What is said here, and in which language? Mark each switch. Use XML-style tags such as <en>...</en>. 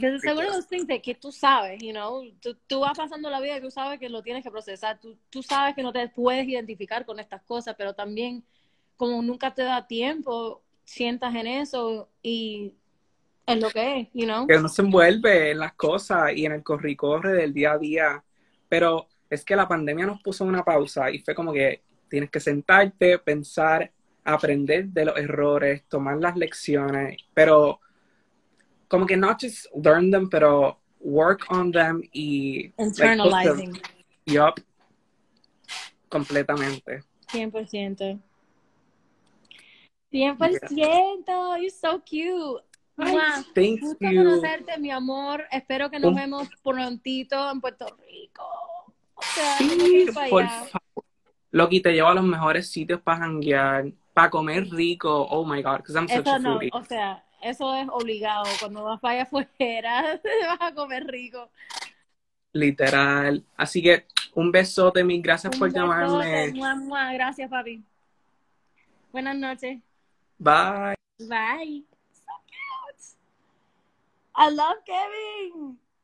<en>Because it's like one of those things that</en> <es>tú sabes,</es> <en>you know?</en> <es>Tú vas pasando la vida y tú sabes que lo tienes que procesar. Tú sabes que no te puedes identificar con estas cosas, pero también, como nunca te da tiempo, sientas en eso y es lo que es,</es> <en>you know?</en> <es>Que uno se envuelve en las cosas y en el corre-corre del día a día. Pero es que la pandemia nos puso una pausa y fue como que tienes que sentarte, pensar, aprender de los errores, tomar las lecciones, pero como que</es> <en>not just learn them,</en> <es>pero</es> <en>work on them</en> <es>y</es> <en>internalizing. Like, yup.</en> <es>Completamente.</es> <en>100%. 100%. Yeah. You're so cute. Thank you.</en> <es>Gusto conocerte, mi amor. Espero que nos vemos prontito en Puerto Rico. O sea, sí, por favor. Loki, te llevo a los mejores sitios para janguear. Para comer rico,</es> <en>oh my god, because I'm such</en> <es>eso</es> <en>a foodie.</en> <es>No, o sea, eso es obligado, cuando vas para allá afuera, vas a comer rico. Literal. Así que, un besote, mil gracias por llamarme. Mua, gracias, papi. Buenas noches.</es> <en>Bye. Bye. So cute. I love Kevin.</en>